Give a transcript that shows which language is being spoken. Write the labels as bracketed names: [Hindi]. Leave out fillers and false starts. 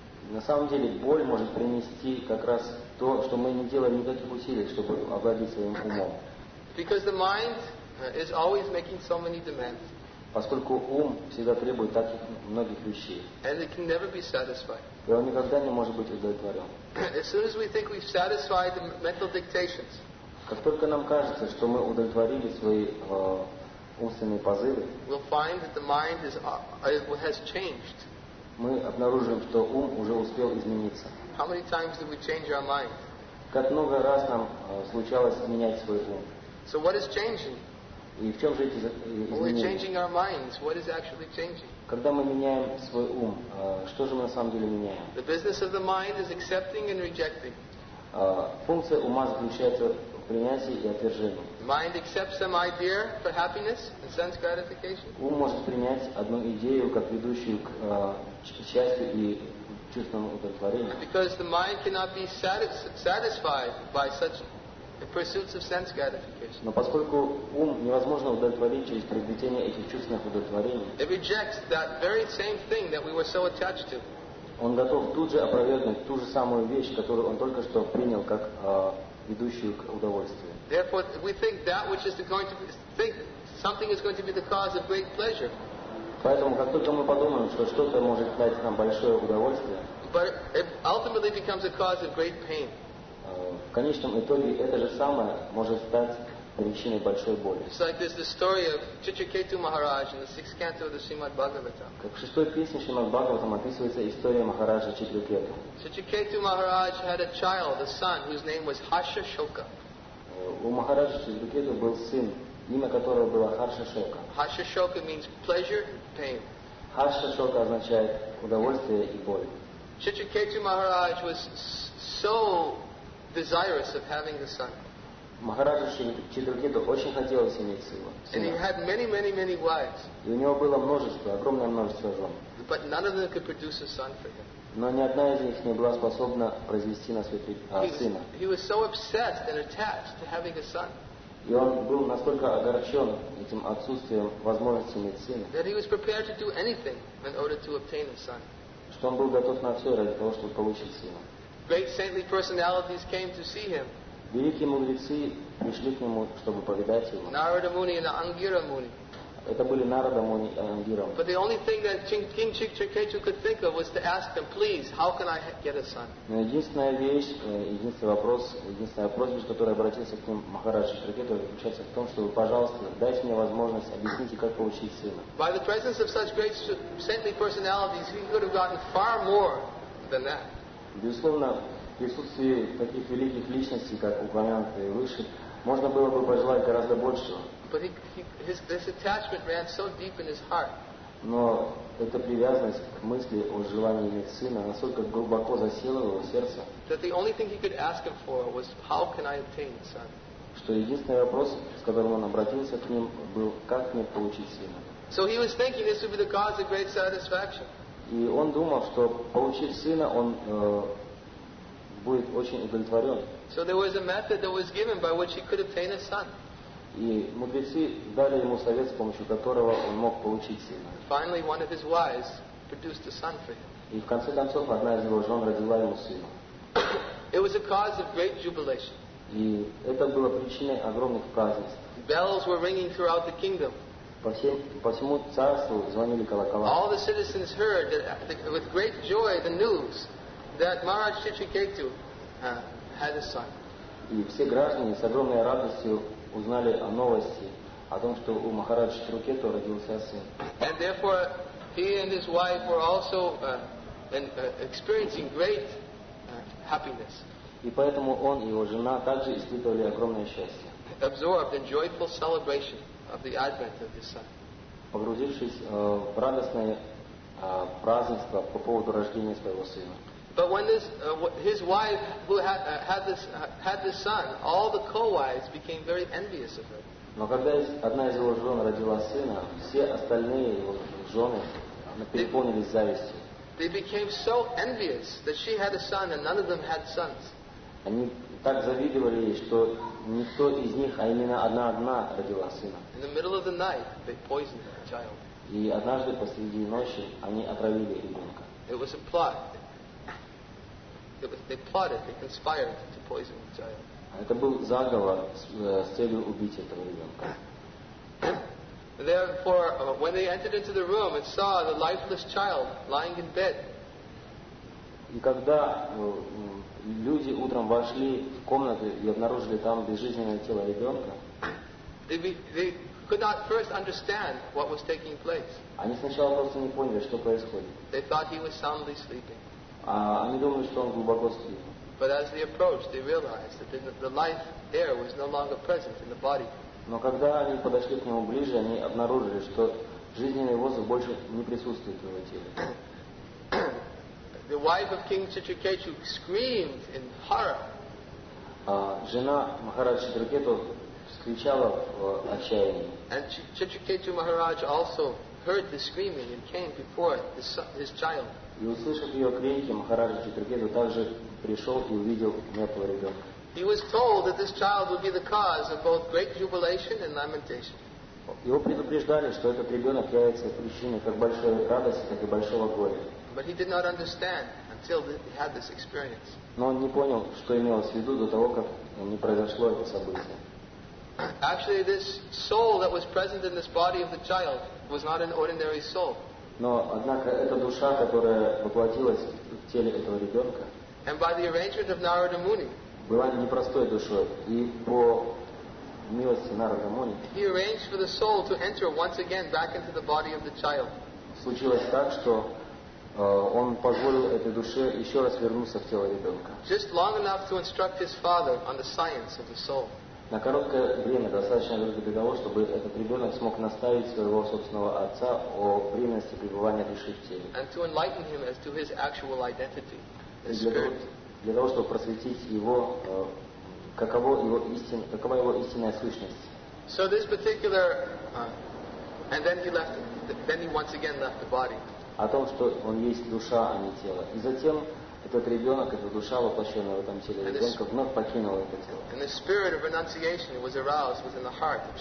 [Russian] На самом деле, боль может принести как раз то, что мы не делаем никаких усилий, чтобы овладеть своим умом. [English] Because the mind is always making so many demands. [Russian] Поскольку ум всегда требует так многих вещей. [English] And it can never be satisfied. [Russian] И он никогда не может быть удовлетворен. [English] As soon as we think we've satisfied the mental dictations. [Russian] Как только нам кажется, что мы удовлетворили свои умственные позывы, [English] we'll find that the mind has changed. [Russian] Мы обнаружим, что ум уже успел измениться. [English] How many times did we change our mind? [Russian] Как много раз нам случалось менять свой ум. [English] So what is changing? [Russian] И в чем же эти изменения? Когда мы меняем свой ум, что же мы на самом деле меняем? [English] The business of the mind is accepting and rejecting. [Russian] Функция ума заключается в принятии и отвержении. [English] The mind accepts some idea for happiness and sense gratification. [Russian] Ум может принять одну идею как ведущую к счастью и чувственному удовлетворению. [English] Because the mind cannot be satisfied by such the pursuits of sense gratification. [Russian] Но поскольку ум невозможно удовлетворить через приобретение этих чувственных удовлетворений, [English] it rejects that very same thing that we were so attached to. [Russian] Он готов тут же опровергнуть ту же самую вещь, которую он только что принял как ведущую к удовольствию. [English] Therefore, we think that which is going to be, think something is going to be the cause of great pleasure. [Russian] Поэтому, как только мы подумаем, что что-то может дать нам большое удовольствие, [English] but it ultimately becomes a cause of great pain. [Russian] В конечном итоге это же самое может стать причиной большой боли. [English] It's like there's the story of Chitraketu Maharaj in the sixth canto of the Srimad Bhagavatam. [Russian] Как в шестой песне Шримад Бхагаватам описывается история Махараджа Читракету. [English] Chitraketu Maharaj had a child, a son, whose name was Harsha Shoka. [Russian] У Махараджа Читракету был сын, имя которого было Харша Шока. [English] Harsha Shoka means pleasure and pain. [Russian] Харша Шока означает удовольствие и боль. [English] Chitraketu Maharaj was so desirous of having the son. [Russian] Махараджа Читракету очень хотелось иметь сына. [English] And he had many, many, many wives. [Russian] И у него было множество, огромное множество жен. [English] But none of them could produce a son for him. [Russian] Но ни одна из них не была способна произвести на свет сына. [English] He was so obsessed and attached to having a son. [Russian] И он был настолько огорчен этим отсутствием возможности иметь сына, [English] that he was prepared to do anything in order to obtain a son. [Russian] Что он был готов на все ради того, чтобы получить сына. [English] Great saintly personalities came to see him. [Russian] Великие мудрецы пришли к нему, чтобы повидать его. [English] Narada Muni and Angira Muni. [Russian] Это были Narada Muni и Angira Muni. [English] But the only thing that King Chikchaketu could think of was to ask him, please, how can I get a son? [Russian] Но единственная вещь, единственный вопрос, единственная просьба, с которой обратился к ним Махарадж Чикчхакету, заключается в том, чтобы, пожалуйста, дайте мне возможность объяснить, как получить сына. [English] By the presence of such great saintly personalities, he could have gotten far more than that. [Russian] Безусловно, в присутствии таких великих личностей, как упомянутые выше, можно было бы пожелать гораздо большего. [English] But this attachment ran so deep in his heart. [Russian] Но эта привязанность к мысли о желании иметь сына настолько глубоко засела в его сердце, [English] that the only thing he could ask him for was, how can I obtain a son? [Russian] Что единственный вопрос, с которым он обратился к ним, был, как мне получить сына? [English] So he was thinking this would be the cause of great satisfaction. [Russian] И он думал, что получив сына, он будет очень удовлетворен. [English] So there was a method that was given by which he could obtain a son. [Russian] И мудрецы дали ему совет, с помощью которого он мог получить сына. [English] Finally, one of his wives produced a son for him. [Russian] И в конце концов, одна из его жен родила ему сына. [English] It was a cause of great jubilation. [Russian] И это было причиной огромных празднеств. [English] Bells were ringing throughout the kingdom. [Russian] По всему царству звонили колокола. [English] All the citizens heard that, with great joy the news that Maharaj Chikchhaketu had a son. [Russian] И все граждане с огромной радостью узнали о новости о том, что у Махараджа Чикчхакету родился сын. [English] And therefore he and his wife were also experiencing great happiness. [Russian] И поэтому он и его жена также испытывали огромное счастье. [English] Absorbed in joyful celebration of the advent of his son. [Russian] Погрузившись в радостное празднество по поводу рождения своего сына. [English] But when his wife who had this son, all the co-wives became very envious of her. [Russian] Но когда одна из его жен родила сына, все остальные его жены переполнились завистью. [English] They became so envious that she had a son and none of them had sons. [Russian] Они так завидовали ей, что никто из них, а именно одна родила сына. [English] In the middle of the night, they poisoned the child. [Russian] И однажды посреди ночи они отравили ребенка. [English] It was a plot. They plotted, they conspired to poison the child. [Russian] Это был заговор с целью убить этого ребенка. [English] Therefore, when they entered into the room and saw the lifeless child lying in bed. [Russian] И когда люди утром вошли в комнату и обнаружили там безжизненное тело ребенка, [English] they could not first understand what was taking place. [Russian] Они сначала просто не поняли, что происходит. [English] They thought he was soundly sleeping. [Russian] А они думали, что он глубоко спит. [English] But as they approached, they realized that the life air was no longer present in the body. [Russian] Но когда они подошли к нему ближе, они обнаружили, что жизненный воздух больше не присутствует в его теле. [English] The wife of King Chikchhaketu screamed in horror. [Russian] Жена Махараджа Чикчхакету вскричала в отчаянии. [English] And Chikchhaketu Maharaj also heard the screaming and came before his child. [Russian] И услышав ее крики, Махараджа Чикчхакету также пришел и увидел мертвого ребенка. [English] He was told that this child would be the cause of both great jubilation and lamentation. [Russian] Его предупреждали, что этот ребенок является причиной как большой радости, так и большого горя. [English] But he did not understand until he had this experience. [Russian] Но он не понял, что имелось в виду до того, как не произошло это событие. [English] Actually, this soul that was present in this body of the child was not an ordinary soul. [Russian] Но однако эта душа, которая воплотилась в теле этого ребенка, [English] and by the arrangement of Narada Muni, [Russian] была непростой душой, и по милости Narada Muni, [English] he arranged for the soul to enter once again back into the body of the child. [Russian] Случилось так, что он позволил этой душе еще раз вернуться в тело ребенка. [English] Just long enough to instruct his father on the science of the soul. [Russian] На короткое время достаточно для того, чтобы этот ребенок смог наставить своего собственного отца о временности пребывания души в теле. [English] And to enlighten him as to his actual identity. [Russian] Для того, чтобы просветить его, какова его истинная сущность. [English] So this particular, and then he left. Then he once again left the body. [Russian] О том, что он есть душа, а не тело. И затем этот ребенок, эта душа, воплощенная в этом теле ребенка, вновь покинула это тело.